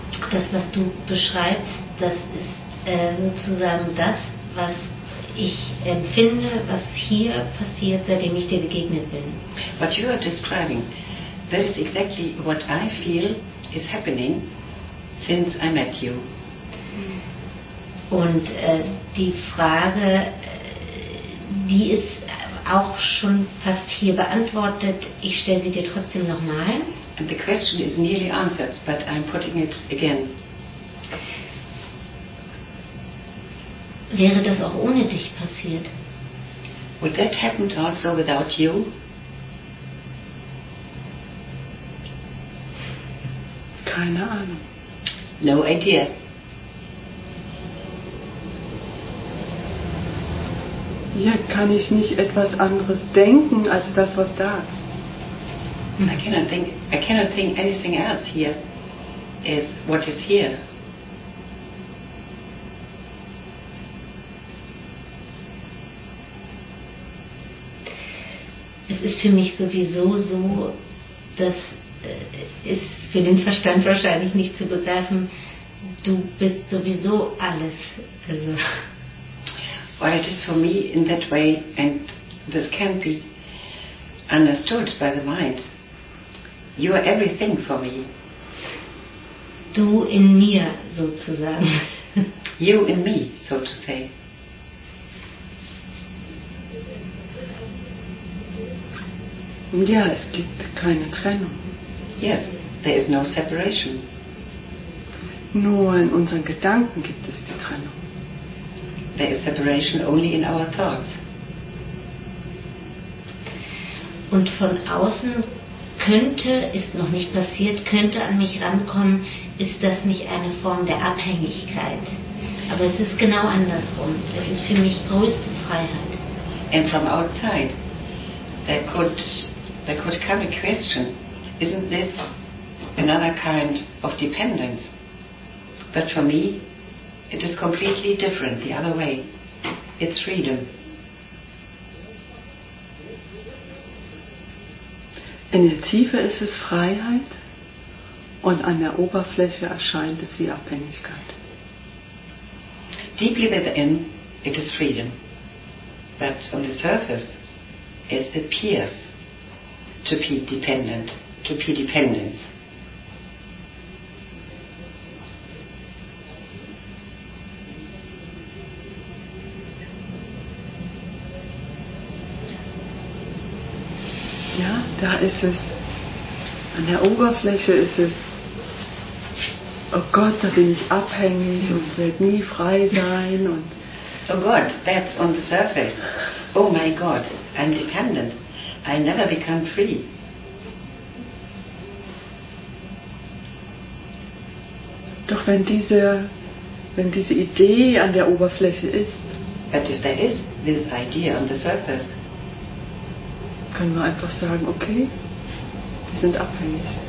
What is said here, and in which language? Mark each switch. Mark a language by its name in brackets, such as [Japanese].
[German] Das, was du beschreibst, das ist sozusagen das, was ich empfinde, was hier passiert, seitdem ich dir begegnet bin. [English] What you are describing, that is exactly what I feel is happening since I met you. [German] Und die Frage, die ist auch schon fast hier beantwortet. Ich stelle sie dir trotzdem nochmal. [English] And the question is nearly answered, but I'm putting it again. [German] Wäre das auch ohne dich passiert? [English] Would that happen also without you? [German] Keine Ahnung. [English] No idea. [German] Ja, kann ich nicht etwas anderes denken als das, was da ist. [English] I cannot think anything else here is what is here. [German] Es ist für mich sowieso so, das ist für den Verstand wahrscheinlich nicht zu begreifen, du bist sowieso alles. Also. [English] Well, it is for me in that way, and this can't be understood by the mind. You are everything for me. [German] Du in mir, sozusagen. [English] You in me, so to say. [German] Ja, es gibt keine Trennung. [English] Yes, there is no separation. [German] Nur in unseren Gedanken gibt es die Trennung. [English] There is separation only in our thoughts. [German] Und von außen könnte, ist noch nicht passiert, könnte an mich rankommen, ist das nicht eine Form der Abhängigkeit. Aber es ist genau andersrum. Das ist für mich größte Freiheit. [English] And from outside, there could come a question, isn't this another kind of dependence? But for me, it is completely different, the other way. It's freedom. [German] In der Tiefe ist es Freiheit und an der Oberfläche erscheint es wie Abhängigkeit. [English] Deeply within, it is freedom. But on the surface, it appears to be dependent, to be dependence. [German] Da ist es, an der Oberfläche ist es, oh Gott, da bin ich abhängig und werde nie frei sein. Und oh Gott, [English] that's on the surface. Oh my God, I'm dependent. I'll never become free. [German] Doch wenn diese Idee an der Oberfläche ist, [English] but if there is this idea on the surface, [German] können wir einfach sagen, okay, wir sind abhängig.